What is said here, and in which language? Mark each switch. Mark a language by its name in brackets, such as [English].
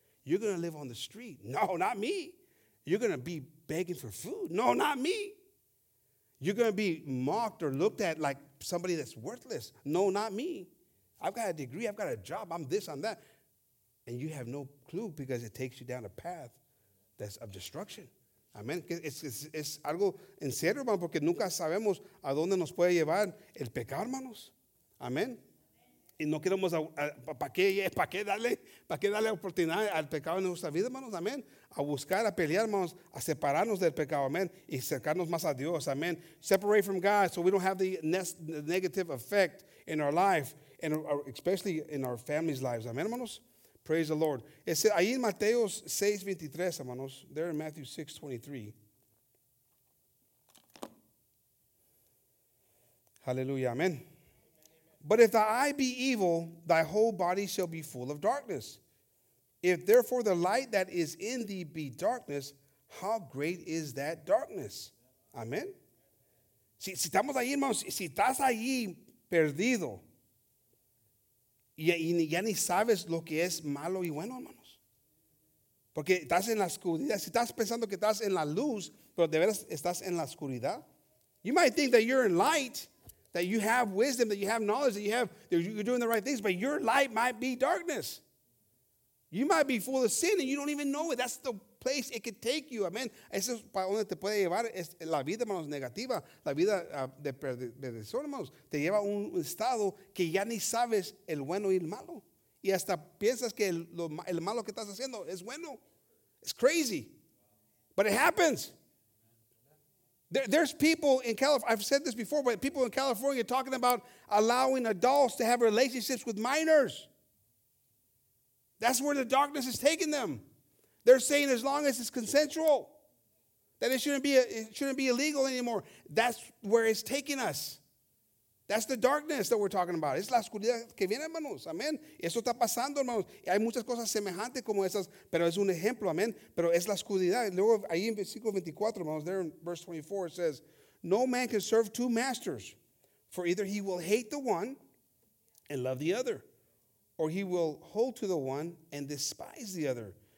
[English] You're going to live on the street. No, not me. You're going to be begging for food. No, not me. You're going to be mocked or looked at like somebody that's worthless. No, not me. I've got a degree. I've got a job. I'm this, I'm that. And you have no clue because it takes you down a path that's of destruction. Amen. [Spanish] Es algo en serio, hermano, porque nunca sabemos a dónde nos puede llevar el pecado, hermanos. Amen. Y no queremos, ¿para qué darle oportunidad al pecado en nuestra vida, hermanos? Amén. A buscar, a pelear, hermanos, a separarnos del pecado, amén. Y acercarnos más a Dios, amén. [English] Separate from God so we don't have the negative effect in our life, and especially in our family's lives, amén, hermanos. Praise the Lord. [Spanish] Es ahí en Mateo 6:23, hermanos. [English] There in Matthew 6:23. Hallelujah, amén. But if thy eye be evil, thy whole body shall be full of darkness. If therefore the light that is in thee be darkness, how great is that darkness? Amen. [Spanish] Si estamos ahí, hermanos, si estás ahí perdido, y ya ni sabes lo que es malo y bueno, hermanos. Porque estás en la oscuridad. Si estás pensando que estás en la luz, pero de veras estás en la oscuridad. [English] You might think that you're in light, that you have wisdom, that you have knowledge, that you have, that you're doing the right things, but your light might be darkness. You might be full of sin and you don't even know it. That's the place it could take you. Amen. [Spanish] Eso es para donde te puede llevar la vida, hermanos, negativa. La vida de perdición, hermanos. Te lleva a un estado que ya ni sabes el bueno y el malo. Y hasta piensas que el malo que estás haciendo es bueno. [English] It's crazy. But it happens. There's people in California, I've said this before, but people in California are talking about allowing adults to have relationships with minors. That's where the darkness is taking them. They're saying as long as it's consensual, that it shouldn't be illegal anymore. That's where it's taking us. That's the darkness that we're talking about. [Spanish] Es la oscuridad que viene, hermanos. Amén. Eso está pasando, hermanos. Y hay muchas cosas semejantes como esas, pero es un ejemplo. Amén. Pero es la oscuridad. Luego, ahí en versículo 24, hermanos, [English] there in verse 24, it says, no man can serve two masters, for either he will hate the one and love the other, or he will hold to the one and despise the other.